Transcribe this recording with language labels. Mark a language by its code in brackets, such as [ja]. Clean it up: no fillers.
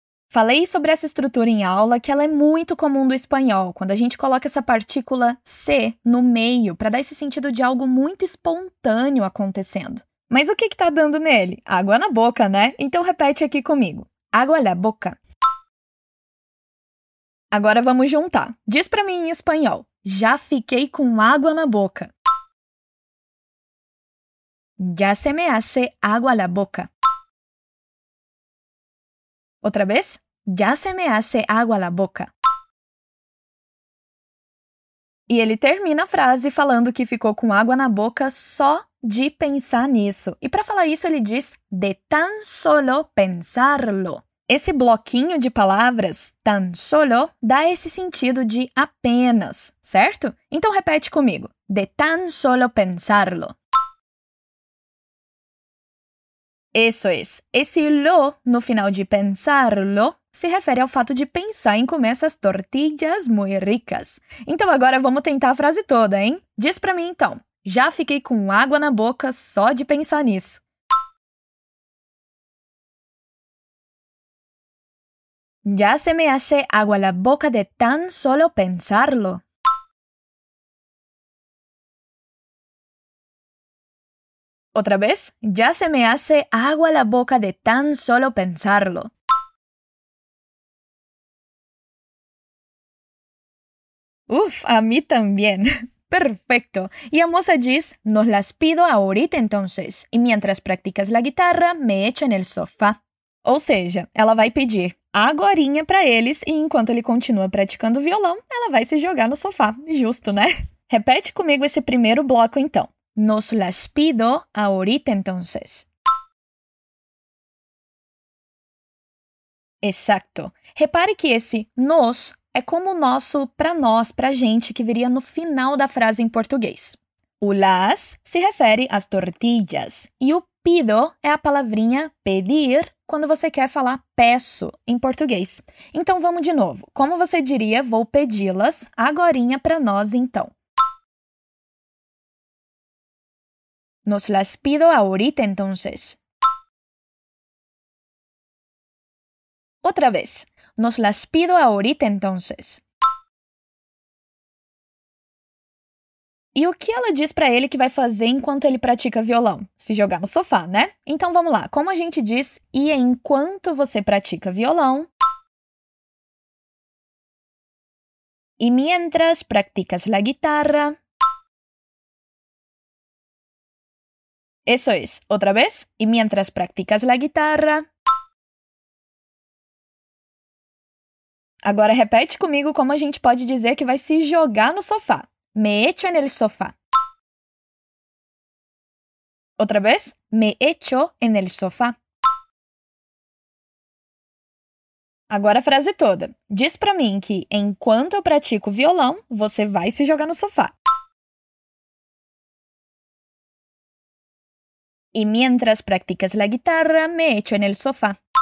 [pt] Falei sobre essa estrutura em aula, que ela é muito comum do espanhol, quando a gente coloca essa partícula se no meio, para dar esse sentido de algo muito espontâneo acontecendo. Mas o que está dando nele? Água na boca, né? Então, repete aqui comigo. Água na boca. Agora, vamos juntar. Diz para mim em espanhol. Já fiquei com água na boca. [es] Ya se me hace agua la boca. Outra vez. Ya se me hace agua la boca. [pt] E ele termina a frase falando que ficou com água na boca só de pensar nisso. E para falar isso, ele diz [es] de tan solo pensarlo. [pt] Esse bloquinho de palavras, tan solo, dá esse sentido de apenas, certo? Então, repete comigo. [es] De tan solo pensarlo. [pt] Isso é. Esse lo, no final de pensarlo, se refere ao fato de pensar em comer essas [es] tortillas muy ricas. [pt] Então, agora vamos tentar a frase toda, hein? Diz para mim, então. Já fiquei com água na boca só de pensar nisso. [es] Ya se me hace agua la boca de tan solo pensarlo. Otra vez. Ya se me hace agua la boca de tan solo pensarlo. Uf, a mí también. Perfecto. Y a moza [pt] diz, [es] nos las pido ahorita entonces. Y mientras practicas la guitarra, me echo en el sofá. [pt] Ou seja, ela vai pedir agorinha para eles e enquanto ele continua praticando violão, ela vai se jogar no sofá. Justo, né? Repete comigo esse primeiro bloco, então. [es] Nos las pido ahorita entonces. Exacto. [pt] Repare que esse nos é como o nosso para nós, para gente, que viria no final da frase em português. Ulas se refere às tortillas e o pido é a palavrinha pedir quando você quer falar peço em português. Então vamos de novo. Como você diria vou pedi-las agorinha para nós então? [es] Nos las pido ahorita entonces. Otra vez. Nos las pido ahorita entonces. [pt] E o que ela diz para ele que vai fazer enquanto ele pratica violão? Se jogar no sofá, né? Então vamos lá. Como a gente diz, e enquanto você pratica violão? [es] E mientras practicas la guitarra? Eso es. Otra vez. Y mientras practicas la guitarra. [pt] Agora repete comigo como a gente pode dizer que vai se jogar no sofá. [es] Me echo en el sofá. Otra vez. Me echo en el sofá. [pt] Agora a frase toda. Diz pra mim que enquanto eu pratico violão, você vai se jogar no sofá. [es] Y mientras practicas la guitarra, me echo en el sofá.